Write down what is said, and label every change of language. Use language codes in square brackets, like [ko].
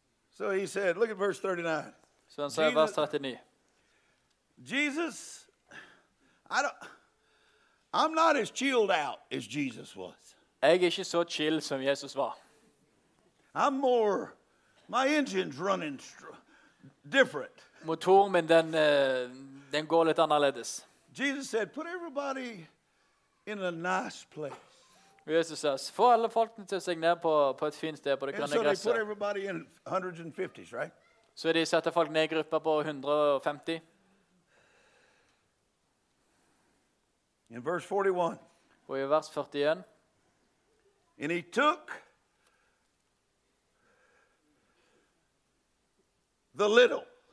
[en] So he said, look at verse 39. [no] Så han sa vers 39. [en] Jesus, I don't, I'm not as chilled out as Jesus was. [no] Jeg ikke så chill som Jesus var. [en] I'm more, my engine's running different. [no] Motoren min, den går litt annerledes. [en] Jesus said, put everybody in a nice place. Jesus says, [no] få alle folkene til seg ned på et fint sted på det grønne gresset. [en] And so they put everybody in 150s, right? [no] Så de setter folk ned i grupper på 150. [en] In verse 41. [no] Og i vers 41. [en] And he took the little.